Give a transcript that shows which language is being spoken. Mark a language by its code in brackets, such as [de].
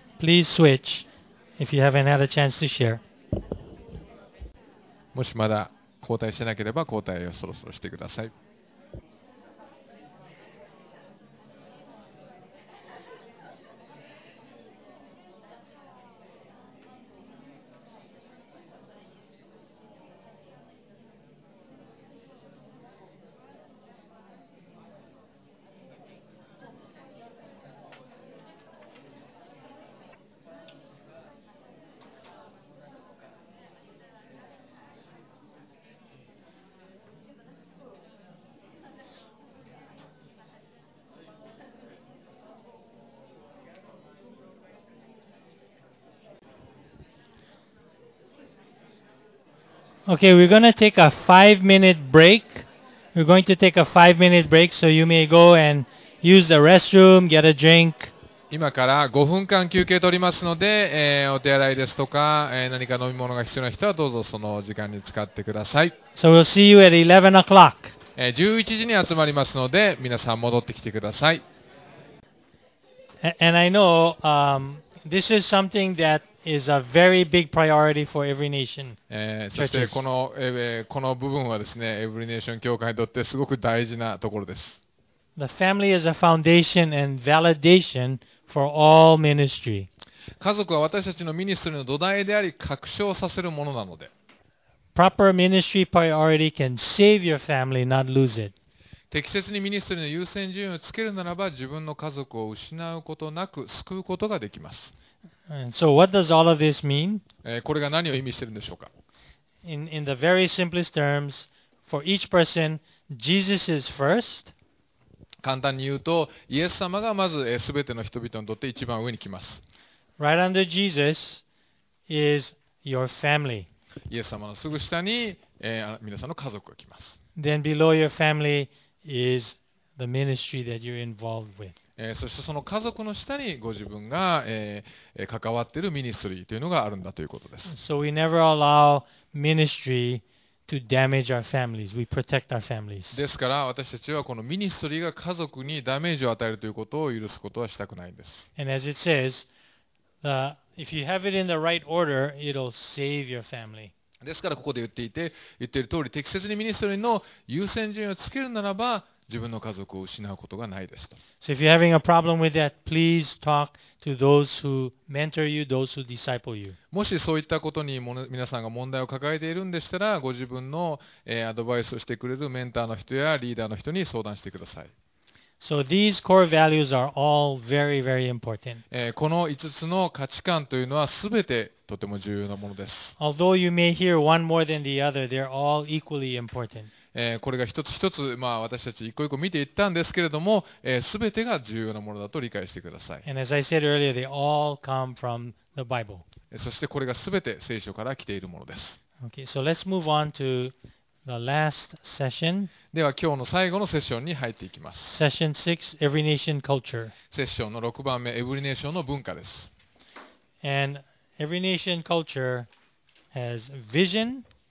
[en] Please switch if you haven't had a chance to share. [ja] もしまだ交代してなければ交代をそろそろしてください。 [en] Okay, we're going to take a 5-minute break. We're going to take a 5-minute break, so you may go and use the restroom, get a drink. [ja] 今から5分間休憩取りますので、お手洗いですとか、何か飲み物が必要な人はどうぞその時間に使ってください。 [en] So we'll see you at 11 o'clock. [ja] 11時に集まりますので、皆さん戻ってきてください。 [en] And I know, this is something that is a very big priority for every nation. [ja] そしてこの部分はですね、every nation 教会にとってすごく大事なところです。 [en] The family is a foundation and validation for all ministry. [ja] 家族は私たちのミニストリーの土台であり、確証させるものなので。 [en] Proper ministry priority can save your family, not lose it. [ja] 適切にミニストリーの優先順位をつけるならば、自分の家族を失うことなく救うことができます。 [en] So what does all of this mean? [ja] これが何を意味しているんでしょうか? [en] In the very simplest terms, for each person, Jesus is first. [ja] 簡単に言うと、イエス様がまず全ての人々にとって一番上に来ます。 [en] Right under Jesus is your family. [ja] イエス様のすぐ下に、皆さんの家族が来ます。 [en] Then below your family is the ministry that you're involved with. [ja] そしてその家族の下にご自分が、関わっているミニストリーというのがあるんだということです。 [en] So we never allow ministry to damage our families. We protect our families. [ja] ですから私たちはこのミニストリーが家族にダメージを与えるということを許すことはしたくないんです。 [en] And as it says, if you have it in the right order, it'll save your family. [ja] ですからここで言っている通り、適切にミニストリーの優先順位をつけるならば、自分の家族を失うことがないですと。 [en] So if you're having a problem with that, please talk to those who mentor you, those who disciple you. [ja] もしそういったことに皆さんが問題を抱えているんでしたら、ご自分の、アドバイスをしてくれるメンターの人やリーダーの人に相談してください。 [en] So these core values are all very, very important. [ja] この5つの価値観というのは全てとても重要なものです。 [en] Although you may hear one more than the other, they're all equally important. [ja] これが一つ一つ、まあ、私たち一個一個見ていったんですけれども、全てが重要なものだと理解してください。 [en] And as I said earlier, they all come from the Bible. [ja] そしてこれが全て聖書から来ているものです。 [en] Okay, so let's move on to the last session. [ja] では今日の最後のセッションに入っていきます。 [en] Session 6, Every Nation Culture. [ja] セッションの6番目、エブリネーションの文化です。 [en] And Every Nation Culture has vision